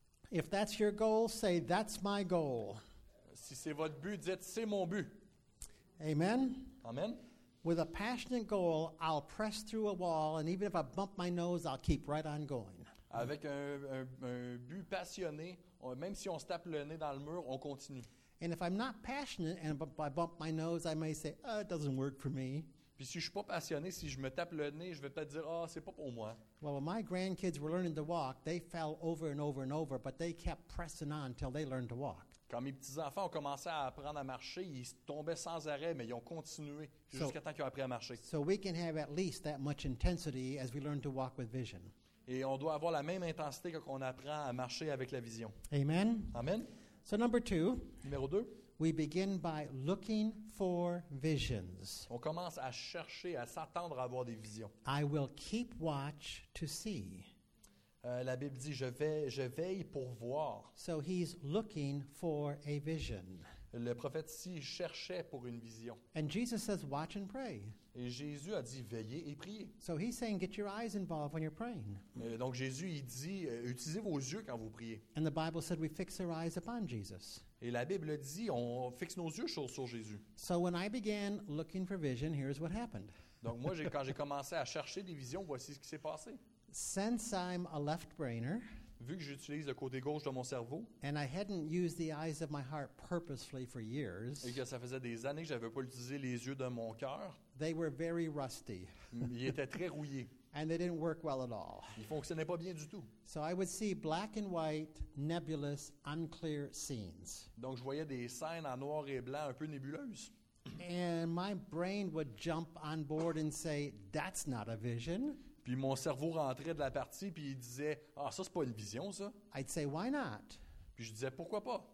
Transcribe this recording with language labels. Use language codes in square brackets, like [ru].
[en] If that's your goal, say that's my goal. [fr] Si c'est votre but, dites c'est mon but. [en] Amen. [fr] Amen. [en] With a passionate goal, I'll press through a wall, and even if I bump my nose, I'll keep right on going. [fr] Avec un but passionné, même si on se tape le nez dans le mur, on continue. [en] And if I'm not passionate and I bump my nose, I may say, "Oh, it doesn't work for me." [fr] Puis si je suis pas passionné, si je me tape le nez, je vais peut-être dire, "Oh, c'est pas pour moi." [en] Well, when my grandkids were learning to walk, they fell over and over and over, but they kept pressing on until they learned to walk. [fr] Quand mes petits-enfants ont commencé à apprendre à marcher, ils tombaient sans arrêt, mais ils ont continué jusqu'à temps qu'ils ont appris à marcher. [en] So we can have at least that much intensity as we learn to walk with vision. [fr] Et on doit avoir la même intensité quand on apprend à marcher avec la vision. [en] Amen. [fr] Amen. [en] So number two. [fr] Numéro deux. [en] We begin by looking for visions. [fr] On commence à chercher, à s'attendre à avoir des visions. [en] I will keep watch to see. [fr] La Bible dit, je veille pour voir. [en] So he's looking for a vision. [fr] Le prophète ici cherchait pour une vision. [en] And Jesus says, watch and pray. [fr] Et Jésus a dit, veillez et priez. [en] So he's saying, get your eyes involved when you're praying. [fr] Donc Jésus, il dit, utilisez vos yeux quand vous priez. [en] And the Bible said, we fix our eyes upon Jesus. [fr] Et la Bible dit, on fixe nos yeux sur Jésus. [en] So when I began looking for vision, here's what happened. [fr] Donc moi, quand j'ai commencé à chercher des visions, voici ce qui s'est passé. [en] Since I'm a left brainer, [fr] vu que j'utilise le côté gauche de mon cerveau, [en] and I hadn't used the eyes of my heart purposefully for years, [fr] et que ça faisait des années que j'avais pas utilisé les yeux de mon cœur, [en] they were very rusty. [fr] Ils étaient très rouillés. [en] And they didn't work well at all. [fr] Ils fonctionnaient pas bien du tout. [en] So I would see black and white, nebulous, unclear scenes. [fr] Donc je voyais des scènes en noir et blanc un peu nébuleuses. [en] And my brain would jump on board and say, that's not a vision. [fr] Puis mon cerveau rentrait de la partie, puis il disait, ah, ça, c'est pas une vision, ça. [en] I'd say, why not? [fr] Puis je disais, pourquoi pas?